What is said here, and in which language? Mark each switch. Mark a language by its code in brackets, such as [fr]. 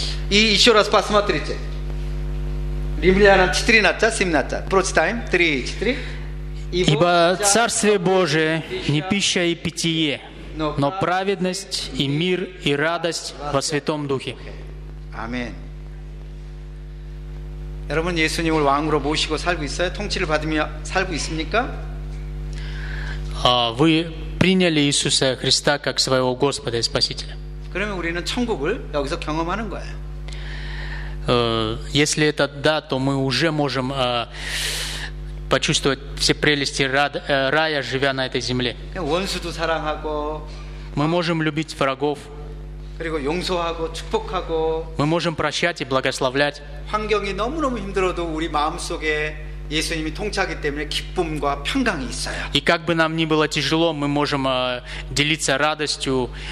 [ru] И еще раз посмотрите. Римлянам 4:17. Прочитаем. 3:4. Ибо Царствие Божие не пища и питье, но праведность и мир и радость во Святом Духе. Аминь. [ko] 여러분, 예수님을 왕으로 모시고 살고 있어요? 통치를 받으며 살고 있습니까? [ru] Вы приняли Иисуса Христа как своего Господа и Спасителя. [ko] 그러면 우리는 천국을 여기서 경험하는 거예요. [ru] Если это да, то мы уже можем почувствовать все прелести рая, живя на этой земле. [ko] 원수도 사랑하고, [ru] мы можем любить врагов. [ko] 그리고 용서하고 축복하고. [ru] Мы можем прощать и благословлять. [ko] 환경이 너무너무 힘들어도 우리 마음 속에 예수님이 통치하기 때문에 기쁨과 평강이 있어요. [ru] И как бы нам ни было тяжело, мы можем делиться радостью.